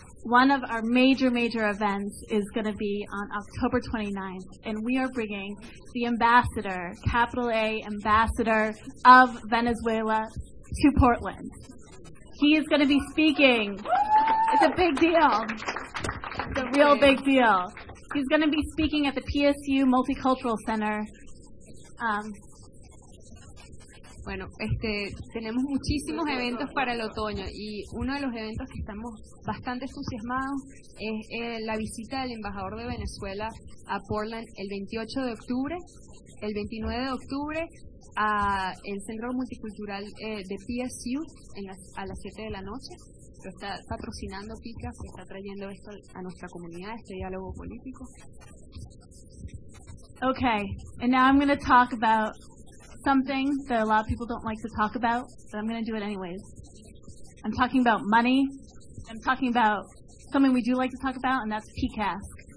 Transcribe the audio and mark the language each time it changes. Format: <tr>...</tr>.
<en>One of our major, major events is going to be on October 29th, and we are bringing the ambassador, capital A, ambassador of Venezuela to Portland. He is going to be speaking. It's a big deal. It's a real big deal. He's going to be speaking at the PSU Multicultural Center.</en> <es>Bueno, tenemos muchísimos eventos para el otoño y uno de los eventos que estamos bastante entusiasmados es la visita del embajador de Venezuela a Portland el 28 de octubre, el 29 de octubre a el Centro Multicultural de PSU a las 7 de la noche. Lo está patrocinando PICA, que está trayendo esto a nuestra comunidad, este diálogo político.</es> <en>Okay, and now I'm going to talk about something that a lot of people don't like to talk about, but I'm going to do it anyways. I'm talking about money. I'm talking about something we do like to talk about, and that's PCASC.</en>